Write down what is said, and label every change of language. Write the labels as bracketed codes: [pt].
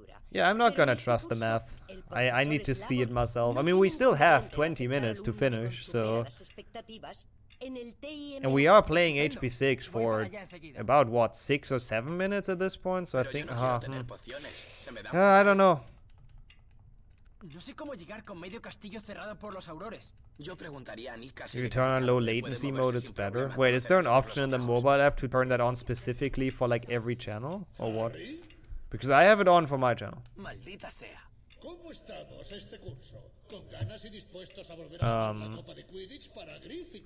[en] Yeah, I'm not gonna trust the math. I need to see it myself. I mean, we still have 20 minutes to finish, so... And we are playing HP6 for about, what, 6 or 7 minutes at this point? So I think, I don't know. [es] No sé cómo llegar con medio castillo cerrado por los aurores. Yo preguntaría a Nika. [en] If you turn on low latency mode, it's better. Wait, is there an option in the mobile app to turn that on specifically for like every channel or what? Because I have it on for my channel. [es] Maldita sea. ¿Cómo estamos este curso? Con ganas y dispuestos a volver a la Copa de Quidditch para Griffin.